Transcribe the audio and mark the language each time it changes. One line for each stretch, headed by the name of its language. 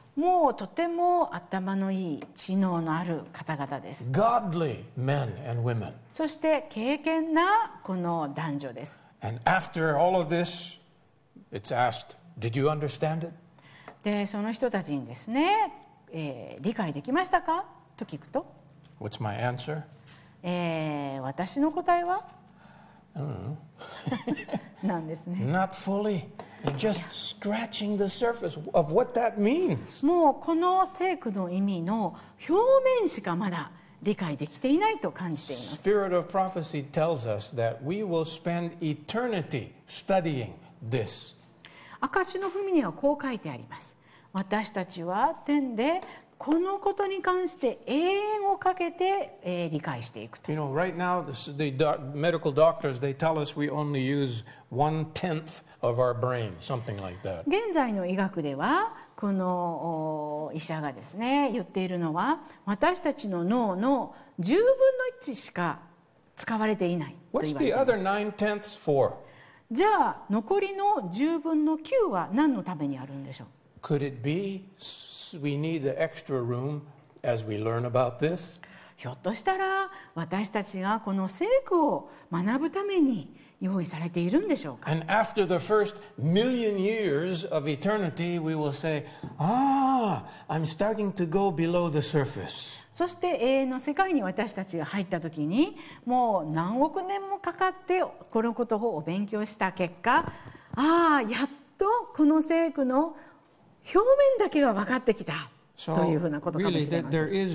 Japanese: もうとても頭のいい知能のある方々です。
English: Godly men and women.
Japanese: そして敬虔なこの男女です。
English: And after all of this, it's asked, "Did you understand it?"
Japanese: で、その人たちにですね、理解できましたか？と聞くと、
English: What's my answer?
Japanese: 私の答えは、なんですね。
English: Not fully. You're just scratching the surface of what that means.
Japanese: もうこの聖句の意味の表面しかまだ理解できていないと感じています。
English: Spirit of prophecy tells us that we will spend eternity studying this.
Japanese: 証しの文にはこう書いてあります。私たちは天でこのことに関して永遠をかけて、理解していくと。
English: You know, right now, the medical doctors, they tell us we only use one tenth of our brain, something like that.
Japanese: 現在の医学では、この医者がですね、言っているのは、私たちの脳の10分の1しか使われていないと言われています。
English: What's the other nine tenths for?
Japanese: じゃあ、残りの10分の9は何のためにあるんでしょう？
English: Could it be we need the extra room as we learn about this?
Japanese: ひょっとしたら私たちがこの聖句を学ぶために用意されているんでしょうか？
English: And after the first million years of eternity, we will say, Ah, I'm starting to go below the surface.
Japanese: そして永遠の世界に私たちが入った時に、もう何億年もかかってこのことをお勉強した結果、ああ、やっとこの聖句の表面だけは分かってきたというふうなことかもしれません。